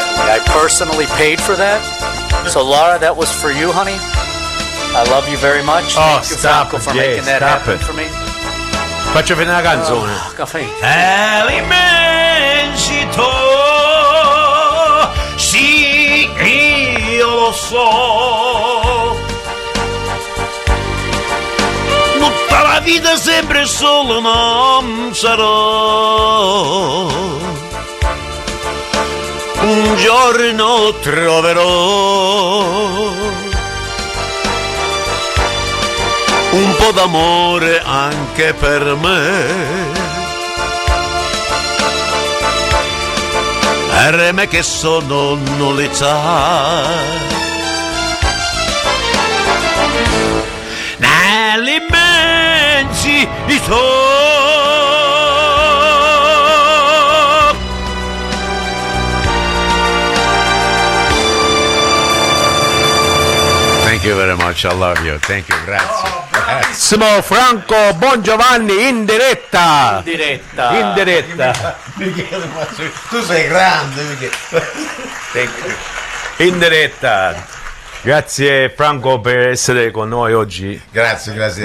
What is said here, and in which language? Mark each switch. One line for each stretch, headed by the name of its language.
English: I personally paid for that. So, Laura, that was for you, honey. I love you very much. Oh, thank you, stop Franco, for Jay, making that happen For me.
Italian: Faccio vedere una canzone. Caffè. È l'immensità. Sì, io lo so. Tutta la vita sempre solo non sarò. Un giorno troverò un po' d'amore anche per me. Per me che sono nullità. Nell'immensità.
English: Thank you very much, I love you, thank you, grazie.
Italian: Bravissimo Franco Bongiovanni in diretta. In diretta. In diretta. Tu sei grande.
English: Thank you.
Italian: In diretta. Grazie Franco per essere con noi oggi. Grazie, grazie.